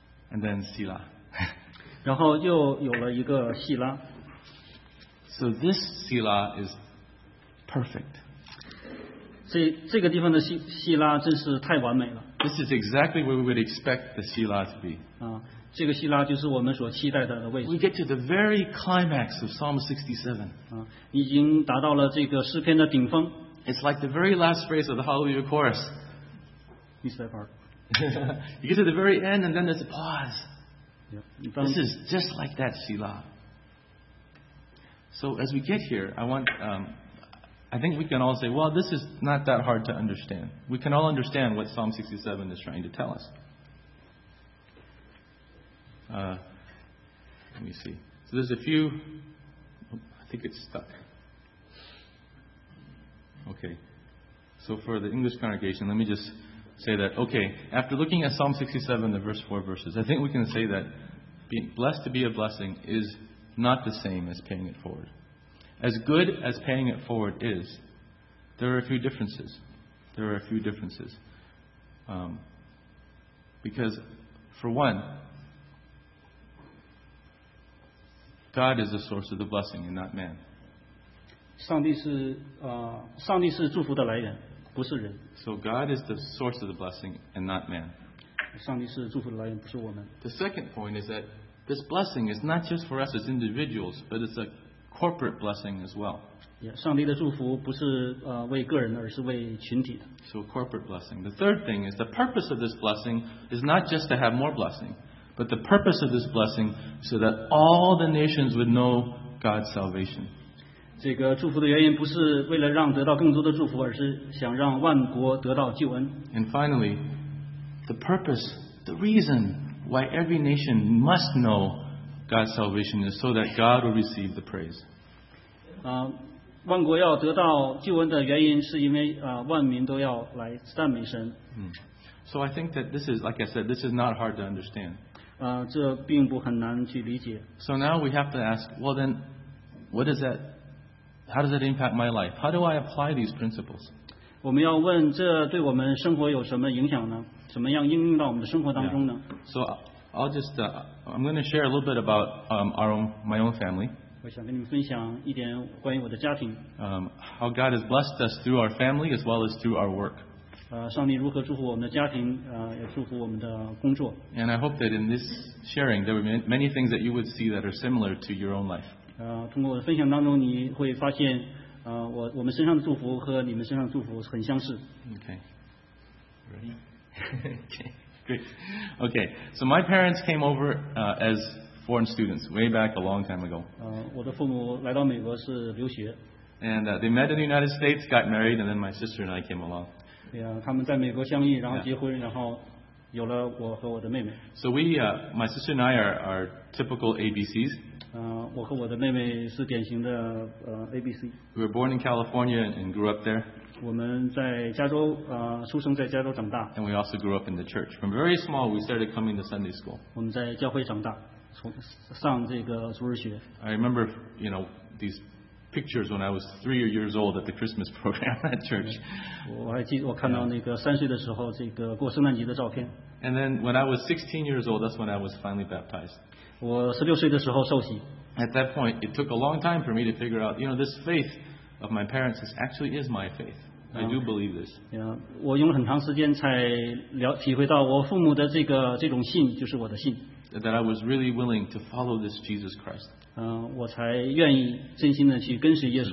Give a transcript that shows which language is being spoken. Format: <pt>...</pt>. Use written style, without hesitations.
<en>And then 希拉</en> <zh>然后又有了一个希拉。</zh> <en>So this 希拉 is perfect.</en> <zh>这个地方的希拉真是太完美了。</zh> <en>This is exactly where we would expect the 希拉 to be.</en> <zh>这个希拉就是我们所期待的位置。</zh> <en>We get to the very climax of Psalm 67.</en> <zh>已经达到了这个诗篇的顶峰。</zh> <en>It's like the very last phrase of the Hallelujah chorus. Miss that part. You get to the very end and then there's a pause. This is just like that 希拉. So as we get here, I think we can all say, well, this is not that hard to understand. We can all understand what Psalm 67 is trying to tell us. Let me see. So there's a few... I think it's stuck. Okay. So for the English congregation, let me just say that, okay, after looking at Psalm 67, the verse 4 verses, I think we can say that being blessed to be a blessing is not the same as paying it forward. As good as paying it forward is, there are a few differences. There are a few differences. Because, for one, God is the source of the blessing and not man.</en> <zh>上帝是祝福的来源，不是人。</zh> <en>So God is the source of the blessing and not man.</en> <zh>上帝是祝福的来源，不是我们。</zh> <en>The second point is that this blessing is not just for us as individuals, but it's a corporate blessing as well.</en> <zh>Yeah, 上帝的祝福不是为个人的，而是为群体的。</zh> <en>So corporate blessing. The third thing is the purpose of this blessing is not just to have more blessing, but the purpose of this blessing so that all the nations would know God's salvation.</en> <zh>这个祝福的原因不是为了让得到更多的祝福，而是想让万国得到救恩。</zh> <en>And finally, the purpose, the reason why every nation must know God's salvation is so that God will receive the praise.</en> <zh>万国要得到救恩的原因是因为万民都要来赞美神。</zh> <en>So I think that this is, like I said, this is not hard to understand.</en> <zh>这并不很难去理解。</zh> <en>So now we have to ask, well then, what is that? How does that impact my life? How do I apply these principles?</en> <zh>我们要问这对我们生活有什么影响呢？怎么样应用到我们的生活当中呢？</zh> <en>So I'll just, I'm going to share a little bit about my own family.</en> <zh>我想跟你们分享一点关于我的家庭。</zh> <en>How God has blessed us through our family as well as through our work.</en> <zh>上帝如何祝福我们的家庭，也祝福我们的工作。</zh> <en>And I hope that in this sharing, there were many things that you would see that are similar to your own life.</en> <zh>通过我的分享当中，你会发现，我们身上的祝福和你们身上的祝福很相似。</zh> <en>Okay. Ready? Okay. Great. Okay, so my parents came over as foreign students way back a long time ago.</en> <zh>我的父母来到美国是留学。</zh> <en>And they met in the United States, got married, and then my sister and I came along.</en> <zh>Yeah, 他们在美国相遇，然后结婚，然后有了我和我的妹妹。</zh> <en>So we, my sister and I are typical ABCs.</en> <zh>我和我的妹妹是典型的ABC.</zh> <en>We were born in California and grew up there.</en> <zh>我们在加州出生在加州长大。</zh> <en>And we also grew up in the church. From very small, we started coming to Sunday school.</en> <zh>我们在教会长大，从上这个主日学。</zh> <en>I remember, you know, these pictures when I was 3 years old at the Christmas program at church.</en> <zh>我看到那个三岁的时候这个过圣诞节的照片。</zh> <en>And then when I was 16 years old, that's when I was finally baptized.</en> <zh>我16岁的时候受洗。</zh> <en>At that point, it took a long time for me to figure out, you know, this faith of my parents is actually is my faith. I do believe this.</en> <zh>Yeah, 我用很长时间才体会到我父母的这种信就是我的信。</zh> <en>That I was really willing to follow this Jesus Christ.</en> <zh>我才愿意真心的去跟随耶稣。</zh>